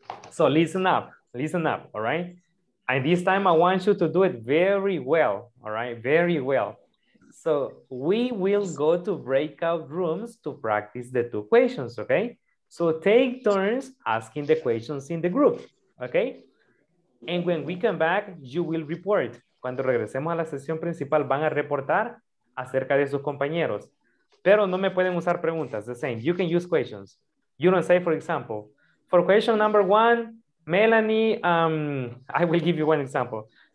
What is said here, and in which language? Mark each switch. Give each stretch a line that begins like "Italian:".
English: So listen up, all right? And this time I want you to do it very well, all right? Very well. So we will go to breakout rooms to practice the two questions, okay? So take turns asking the questions in the group, okay? And when we come back, you will report.
Spanish: Cuando regresemos a la sesión principal, van a reportar acerca de sus compañeros. Pero no me pueden usar preguntas,
English: the same. You can use questions. You don't say, for example, for question number one, Melanie, I will give you one example.